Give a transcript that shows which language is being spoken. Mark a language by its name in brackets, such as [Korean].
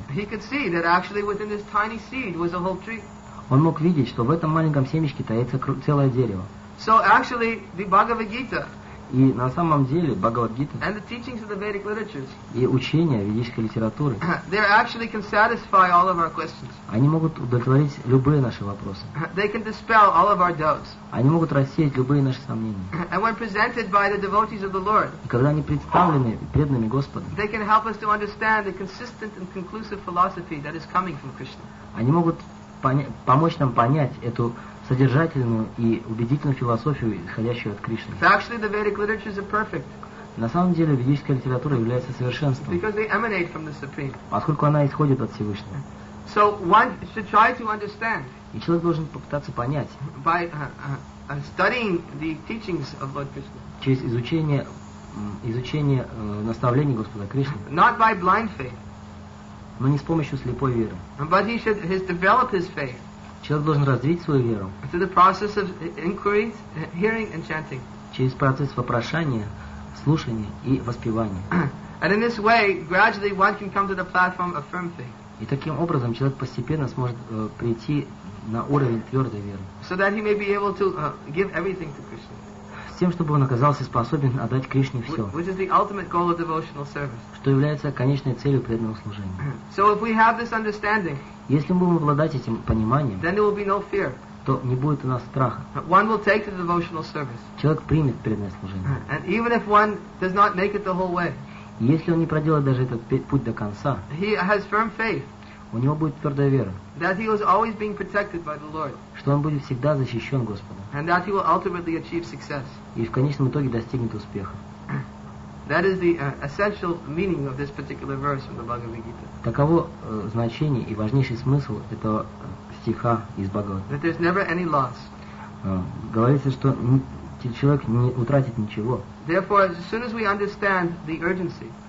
[English] He could see that actually within this tiny seed was a whole tree. [Russian] Он мог видеть, что в этом маленьком семечке таится целое дерево. [English] So actually, the Bhagavad Gita. [Russian] И на самом деле Бхагавад Гита. [English] And the teachings of the Vedic literatures. [Russian] И учения ведической литературы. [English] They actually can satisfy all of our questions. [Russian] Они могут удовлетворить любые наши вопросы. [English] They can dispel all of our doubts. [Russian] Они могут рассеять любые наши сомнения. [English] And when presented by the devotees of the Lord. [Russian] И когда они представлены преданными Господом. [English] They can help us to understand the consistent and conclusive philosophy that is coming from Krishna. [Russian] Они могут помочь нам понять эту содержательную и убедительную философию, исходящую от Кришны. [English] Actually, the Vedic literatures are perfect. [Russian] На самом деле, ведическая литература является совершенством. [English] Because they emanate from the Supreme. [Russian] Поскольку она исходит от Всевышнего. [English] So one should try to understand. [Russian] И человек должен попытаться понять. [English] By studying the teachings of Lord Krishna. [Russian] Через изучение наставлений Господа Кришны. [English] Not by blind faith. [Russian] Но не с помощью слепой веры. [English] But he should develop his faith. [Russian] Человек должен развить свою веру. [English] Through the process of inquiries, hearing and chanting. [Russian] Через процесс вопрошания, слушания и воспевания. [English] And in this way, gradually one can come to the platform of firm faith. [Russian] И таким образом человек постепенно сможет прийти на уровень твердой веры. [English] So that he may be able to give everything to Krishna. [Russian] С тем, чтобы он оказался способен отдать Кришне все. [English] Which is the ultimate goal of devotional service. [Russian] Что является конечной целью преданного служения. [English] So if we have this understanding, [Russian] если мы будем обладать этим пониманием, [English] then there will be no fear. [Russian] То не будет у нас страха. [English] One will take the devotional service. [Russian] Человек примет преданное служение. [English] And even if one does not make it the whole way, [Russian] если он не проделает даже этот путь до конца, [English] he has firm faith. [Russian] У него будет твердая вера. [English] That he was always being protected by the Lord. [Russian] Что он будет всегда защищен Господом. [English] And that he will ultimately achieve success. [Russian] И в конечном итоге достигнет успеха. [English] That is the essential meaning of this particular verse from the Bhagavad Gita. [Russian] Таково значение и важнейший смысл этого стиха из Бхагавад. [English] That there's never any loss. [Russian] Говорится, что человек не утратит ничего. [English] Therefore, as soon as we understand the urgency.